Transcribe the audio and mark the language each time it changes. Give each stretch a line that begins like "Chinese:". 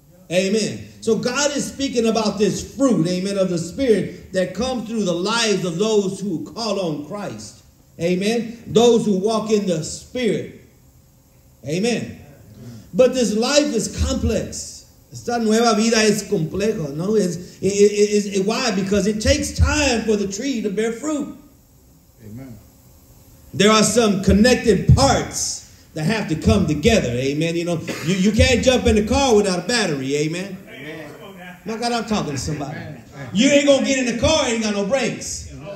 English: Amen. So God is speaking about this fruit, amen, of the Spirit that comes through the lives of those who call on Christ. Amen. Those who walk in the Spirit. Amen. But this life is complex.
Spanish: Esta nueva vida es complejo, ¿no?
English: Why? Because it takes time for the tree to bear fruit. Amen. There are some connected parts that have to come together. Amen. You know, you can't jump in the car without a battery. Amen. My God, I'm talking to somebody. You ain't going to get in the car, ain't got no brakes.